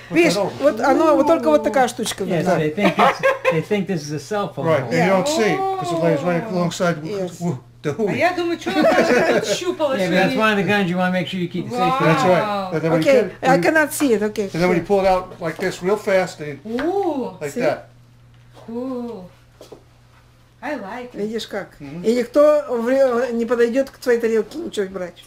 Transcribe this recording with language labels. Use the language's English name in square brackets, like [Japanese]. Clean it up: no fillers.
[Russian] Видишь, вот оно, вот только вот такая штучка. [English] Yes, [Russian] да. [English] They think this is a cell phone. Right, and yeah. You don't see, because it lays right alongside the hoodie. [Russian] А я думаю, что она щупала. [English] Yeah, that's one of the guns you want to make sure you keep safe. Wow. That's right. Okay, I cannot see it. Okay. And then when you pull it out like this, real fast, and like see? That. Cool. I like it. [Russian] Видишь как? Mm-hmm. И никто не подойдет к твоей тарелке ничего брать.